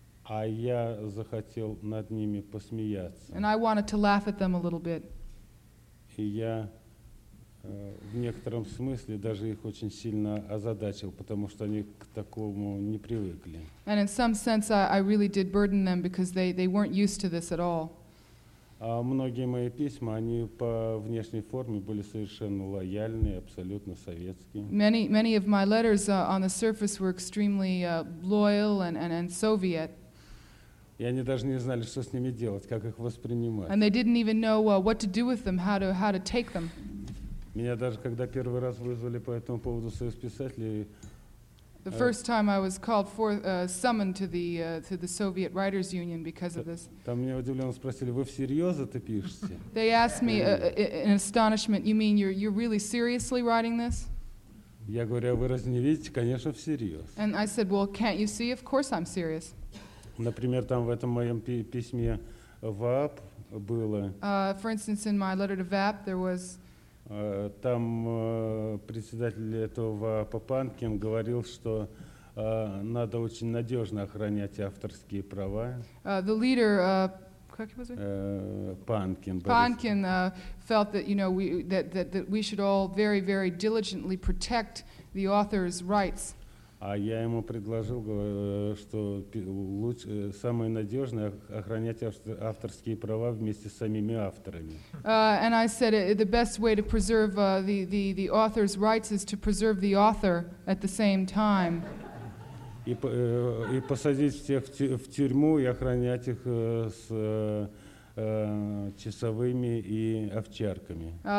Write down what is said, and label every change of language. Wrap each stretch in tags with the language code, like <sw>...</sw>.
<ru>А я захотел над ними посмеяться.</ru> <en>And I wanted to laugh at them a little bit.</en> <ru>И я в некотором смысле даже их очень сильно озадачил, потому что они к такому не привыкли.</ru> <en>And in some sense I really did burden them because they weren't used to this at all.</en> <ru>Многие мои письма, они по внешней форме были совершенно лояльны, абсолютно советские.</ru> <en>Many of my letters on the surface were extremely loyal and Soviet.</en> <ru>И они даже не знали, что с ними делать, как их воспринимать.</ru> <en>And they didn't even know what to do with them, how to take them.</en> <ru>Меня даже когда первый раз вызвали по этому поводу Союз писателей.</ru> <en>The first time I was called for summoned to the Soviet Writers Union because of this.</en> <ru>Там меня удивленно спросили: вы всерьез это пишете?</ru> <en>They asked me in astonishment, you mean you're really seriously writing this?</en> <ru>Я говорю: вы разве не видите? Конечно, всерьез.</ru> <en>And I said, well, can't you see? Of course I'm serious.</en> <ru>Например, там в этом моем письме ВАП было.</ru> <en>For instance, in my letter to VAP, there was.</en> <ru>Там председатель этого Папанкин говорил, что надо очень надежно охранять авторские права.</ru> <en>The leader,</en> <ru>как его зовут? Панкин.</ru> <en>Панкин felt that, you know, that we should all very, very diligently protect the author's rights.</en> <ru>А я ему предложил, что лучше, самое надежное охранять авторские права вместе с самими авторами.</ru> <en>And I said the best way to preserve the author's rights is to preserve the author at the same time.</en> <ru>И посадить всех в тюрьму и охранять их с часовыми и овчарками.</ru>